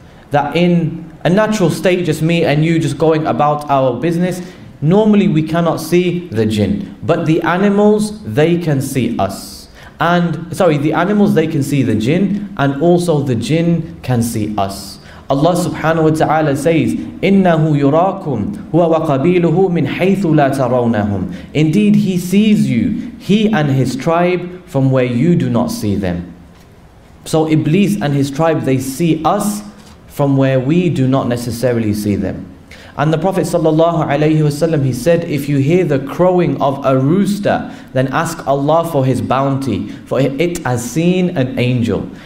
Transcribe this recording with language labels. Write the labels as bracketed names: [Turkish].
[English] That in a natural state, just me and you just going about our business, normally we cannot see the jinn. But the animals, they can see us. The animals can see the jinn, and also the jinn can see us. [Arabic] Allah subhanahu wa ta'ala says, إِنَّهُ يُرَاكُمْ هُوَ وَقَبِيلُهُ مِنْ حَيْثُ لَا تَرَوْنَهُمْ. [English] Indeed, he sees you, he and his tribe, from where you do not see them. So Iblis and his tribe, they see us from where we do not necessarily see them. And the Prophet sallallahu alayhi wasallam, he said, if you hear the crowing of a rooster, then ask Allah for his bounty, for it has seen an angel.